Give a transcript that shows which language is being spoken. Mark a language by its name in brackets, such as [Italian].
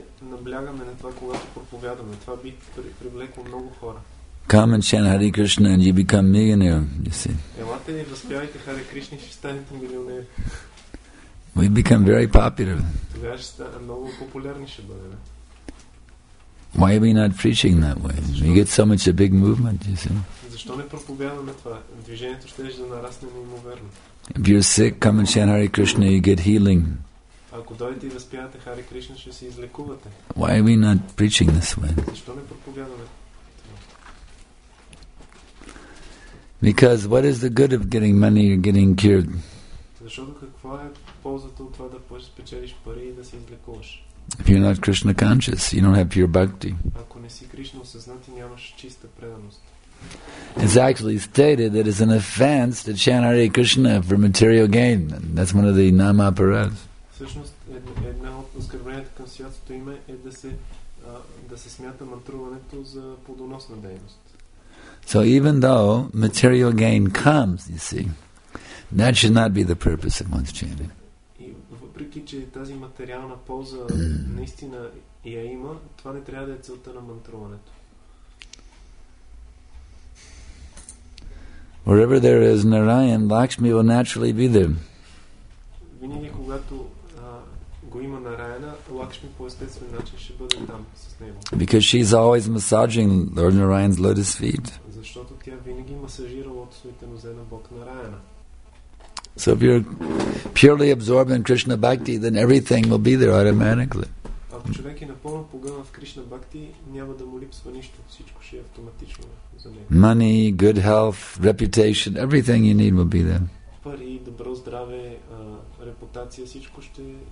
[Bulgarian] Наблягаме на това, когато проповядаме. Това би привлекло много хора. [English] Come and chant Hare Krishna and you become millionaire, you see. [Bulgarian] Елате и възпявайте Hare Krishna и ще станете милионер. [English] We become very popular. [Bulgarian] Тогава ще станете много популярни ще бъдем. [English] Why are we not preaching that way? We get so much a big movement, you see. [Bulgarian] Защо не проповядаме това? Движението ще да нарасне неимоверно. [English] If you're sick, come and chant Hare Krishna, you get healing. [Bulgarian] Ако дойдете и възпявате Хари Кришна, ще се излекувате. [English] Why are we not preaching this way? [Bulgarian] Защо не проповядаме? [English] Because what is the good of getting money or getting cured? [Bulgarian] Защото каква е ползата от това да спечелиш пари и да се излекуваш? [English] If you're not Krishna conscious, you don't have pure bhakti. [Bulgarian] Ако не си Кришна осъзнат, нямаш чиста преданост. [English] It's actually stated that it's an offense to chant Hare Krishna for material gain. That's one of the nama parads. [Bulgarian] Всъщност една от оскърбленията към святото име е да се смята мантруването за плодоносна дейност. [English] So even though material gain comes, you see, that should not be the purpose of one's chanting. [Bulgarian] И въпреки че тази материална полза наистина я има, това не трябва да е целта на мантруването. [English] Wherever there is Narayan, Lakshmi will naturally be there. [Bulgarian] Винаги когато го има на Нараяна, Лакшми по естествен начин ще бъде там с него. [English] Because she's always massaging Lord Narayan's lotus feet. [Bulgarian] Защото тя винаги масажира лотосовите нозе на Бог Нараяна. [English] So if you're purely absorbed in Krishna bhakti, then everything will be there automatically. [Bulgarian] Ако човек е напълно погълнат в Кришна бхакти, няма да му липсва нищо, всичко ще е автоматично за него. [English] Money, good health, reputation, everything you need will be there. [Bulgarian] Пари, добро здраве, репутация, всичко ще